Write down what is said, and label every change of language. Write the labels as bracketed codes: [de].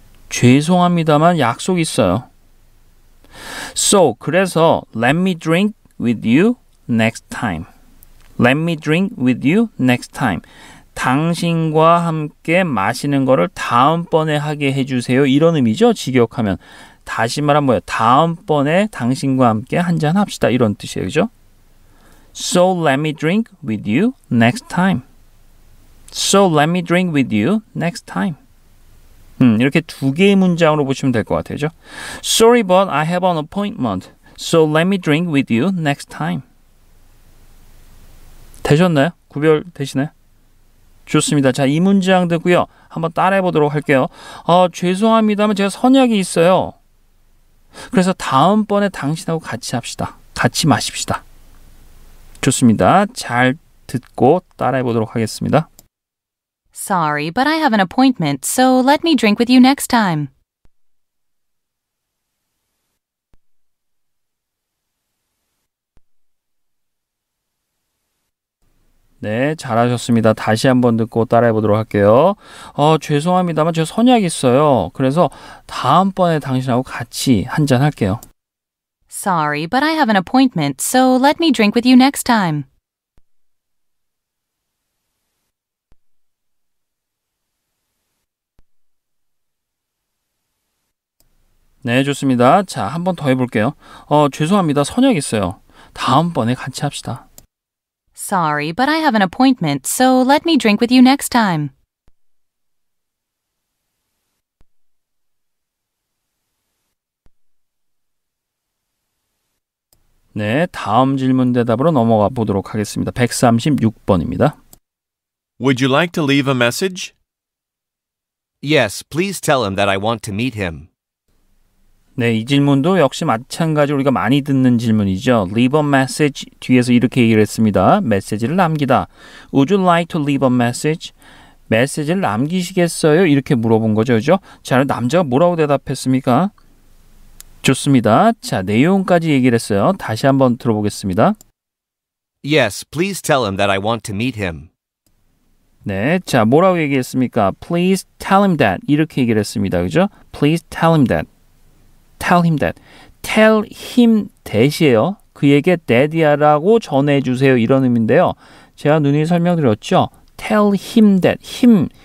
[ko] 죄송합니다만 약속 있어요. [en] So, [ko] 그래서 [en] let me drink with you next time. Let me drink with you next time. [ko] 당신과 함께 마시는 거를 다음번에 하게 해주세요. 이런 의미죠. 직역하면. 다시 말하면 뭐예요? 다음번에 당신과 함께 한잔합시다. 이런 뜻이에요. 그죠? [en] So let me drink with you next time. So let me drink with you next time. [ko] 이렇게 두 개의 문장으로 보시면 될 것 같아요. 그죠? [en] Sorry, but I have an appointment. So let me drink with you next time. [ko] 되셨나요? 구별되시나요? 좋습니다. 자, 이 문장 듣고요. 한번 따라해 보도록 할게요. 죄송합니다만 제가 선약이 있어요. 그래서 다음번에 당신하고 같이 합시다. 같이 마십시다. 좋습니다. 잘 듣고 따라해 보도록 하겠습니다. [en] Sorry, but I have an appointment, so let me drink with you next time. [ko] Ne, 네, 잘하셨습니다. 다시 한번 듣고 따라해 보도록 할게요. 죄송합니다만 제가 선약이 있어요. 그래서 다음번에 당신하고 같이 한잔 할게요. [en] Sorry, but I have an appointment, so let me drink with you next time. [ko] 네, 좋습니다. 자, 한번 더 해볼게요. 죄송합니다. 선약 있어요. 다음번에 같이 합시다. [en] Sorry, but I have an appointment, so let me drink with you next time. [ko] 네, 다음 질문 대답으로 넘어가 보도록 하겠습니다. 136번입니다. [en] Would you like to leave a message? Yes, please tell him that I want to meet him. [ko] 네, 이 질문도 역시 마찬가지 우리가 많이 듣는 질문이죠. [en] Leave a message [ko] 뒤에서 이렇게 얘기를 했습니다. 메시지를 남기다. [en] Would you like to leave a message? [ko] 메시지를 남기시겠어요? 이렇게 물어본 거죠. 그렇죠? 자, 남자가 뭐라고 대답했습니까? 좋습니다. 자, 내용까지 얘기를 했어요. 다시 한번 들어보겠습니다. [en] Yes, please tell him that I want to meet him. [ko] 네, 자, 뭐라고 얘기했습니까? [en] Please tell him that. [ko] 이렇게 얘기를 했습니다. [en] 그죠? Please tell him that. Tell him that. Tell him that이에요. [ko] 그에게 [en] that [ko] 이라고 전해주세요. 이런 의미인데요. 제가 누누이 설명드렸죠? [en] Tell him that. [ko] 힘.